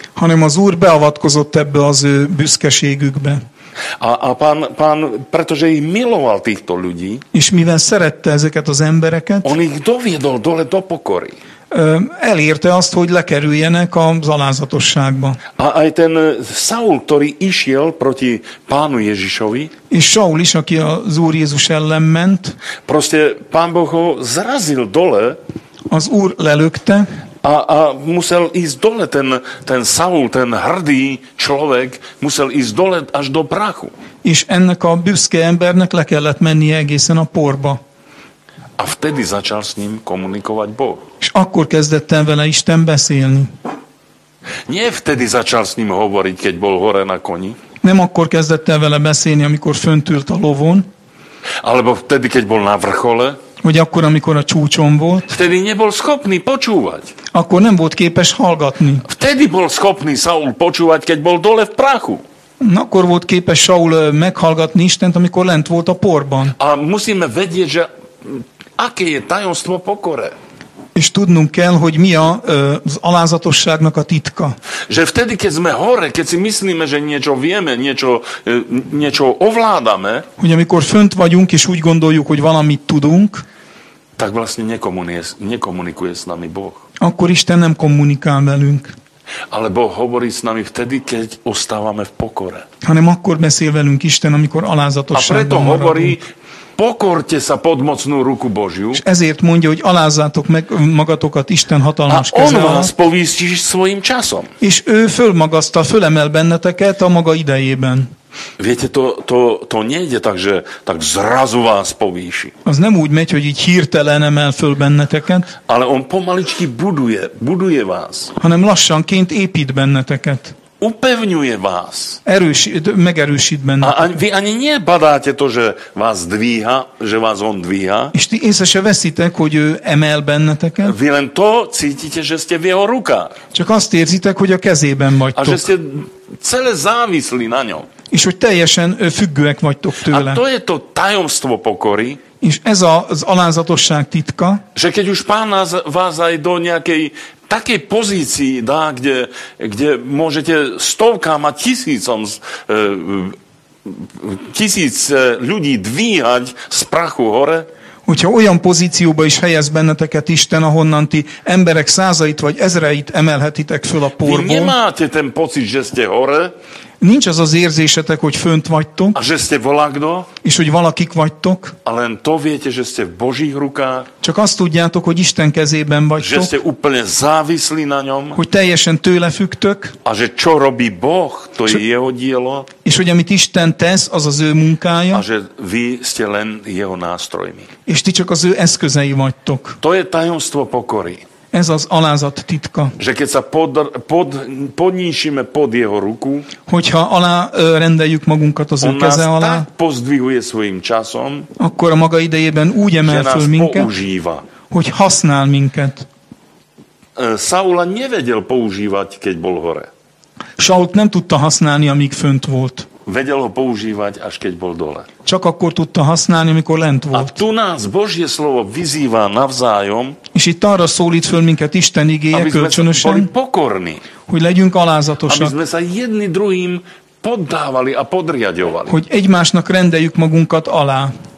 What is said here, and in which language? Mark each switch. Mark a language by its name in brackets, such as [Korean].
[Hungarian] Hanem az Úr beavatkozott ebbe az ő büszkeségükbe. [Slovak] A pán, pretože ich miloval týchto ľudí. [Hungarian] És mivel szerette ezeket az embereket. [Slovak] On ich doviedol dole do pokory. [Hungarian] Elérte azt, hogy lekerüljenek az alázatosságba. [Slovak] A aj ten Saul, ktorý išiel proti pánu Ježišovi. [Hungarian] És Saul is, aki az Úr Jézus ellen ment. [Slovak] Proste Pán Boh ho zrazil dole. [Hungarian] Az Úr lelökte. [Slovak] A musel ísť dole ten Saul, ten hrdý človek, musel ísť dole až do prachu. [Hungarian] És ennek a büszke embernek le kellett mennie egészen a porba. [Slovak] A vtedy začal s ním komunikovať Boh. [Hungarian] És akkor kezdett el vele Isten beszélni. [Slovak] Nie vtedy začal s ním hovoriť, keď bol hore na koni. [Hungarian] Nem akkor kezdett el vele beszélni, amikor fönt ült a lovon. [Slovak] Alebo vtedy, keď bol na vrchole. [Hungarian] Vagy akkor, amikor a csúcson volt. [Slovak] Vtedy nebol schopný počúvať. [Hungarian] Akkor nem volt képes hallgatni. [Slovak] Vtedy bol schopný Saul počúvať, keď bol dole v prachu. [Hungarian] Akkor volt képes Saul meghallgatni Istent, amikor lent volt a porban. [Slovak] A musíme vedieť, že aké je tajomstvo pokore. [Hungarian] És tudnunk kell, hogy mi a az alázatosságnak a titka. [Slovak] Že vtedy, keď sme hore, keď si myslíme, že niečo vieme, niečo ovládame, [Hungarian] hogy amikor fönt vagyunk, és úgy gondoljuk, hogy valamit tudunk, [Slovak] tak vlastne nekomunikuje s nami Boh. [Hungarian] Akkor Isten nem kommunikál velünk. [Slovak] Ale Boh hovorí s nami vtedy, keď ostávame v pokore. [Hungarian] Hanem akkor beszél velünk Isten, amikor alázatosságban maradunk. [Slovak] A preto hovorí, pokorte sa pod mocnú ruku Božiu. [Hungarian] És ezért mondja, hogy alázzátok meg magatokat Isten hatalmas keze alatt. [Slovak] A on vás povýsti svojim časom. [Hungarian] És ő fölmagasztal, fölemel benneteket a maga idejében. [Slovak] Viete, to nejde tak, že tak zrazu vás povýši. [Hungarian] Az nem úgy megy, hogy így hirtelen emel föl benneteket. [Slovak] Ale on pomaličky buduje vás. [Hungarian] Hanem lassanként épít benneteket. [Slovak] Upevňuje vás. [Hungarian] Megerősít benne. [Slovak] A vy ani nebadáte to, že vás dvíha, že vás on dvíha. [Hungarian] És ti észre se veszitek, hogy ő emel benneteket. [Slovak] Vy len to cítite, že ste v jeho rukách. [Hungarian] Csak azt érzitek, hogy a kezében vagytok. [Slovak] A že ste celé závislí na ňom. [Hungarian] És hogy teljesen függőek vagytok tőle. [Slovak] A to je to tajomstvo pokory. [Hungarian] És ez az alázatosság titka. [Slovak] Že keď už pán vás aj do nejakej takej pozícii dá, kde môžete stovkám a tisíc ľudí dvíhať z prachu hore. [Hungarian] Hogyha olyan pozícióba is helyez benneteket Isten, ahonnan ti emberek százait vagy ezreit emelhetitek föl a porból. [Slovak] Vy nemáte ten pocit, že ste hore. [Hungarian] Nincs az az érzésetek, hogy fönt vagytok. [Slovak] A že ste volakdo. [Hungarian] És hogy valakik vagytok. [Slovak] A len to viete, že ste v Božích rukách. [Hungarian] Csak azt tudjátok, hogy Isten kezében vagytok. [Slovak] Že ste úplne závislí na ňom. [Hungarian] Hogy teljesen tőle függtök. [Slovak] A že čo robí Boh, to je jeho dielo. [Hungarian] És hogy amit Isten tesz, az az ő munkája. [Slovak] A že vy ste len jeho nástrojmi. [Hungarian] És ti csak az ő eszközei vagytok. [Slovak] To je tajomstvo pokory. [Hungarian] Ez az alázat titka. [Slovak] Že keď sa podnísime pod jeho ruku, [Hungarian] hogyha alárendeljük magunkat az ő keze alá, [Slovak] on nás tak pozdvihuje svojim časom, [Hungarian] akkor a maga idejében úgy emel föl minket, [Slovak] používa. [Hungarian] Hogy használ minket. [Slovak] Saula nevedel používať, keď bol hore. [Hungarian] Sault nem tudta használni, amíg fönt volt. [Slovak] Vedel ho používať, až keď bol dole. [Hungarian] Csak akkor tudta használni, amikor lent volt. [Slovak] A tu nás Božie slovo vyzýva navzájom, [Hungarian] és itt arra szólít föl minket Isten igéje kölcsönösen, [Slovak] pokorni, [Hungarian] hogy legyünk alázatosak. [Slovak] Aby sme sa jedni druhým poddávali a podriadovali. [Hungarian] Hogy egymásnak rendeljük magunkat alá.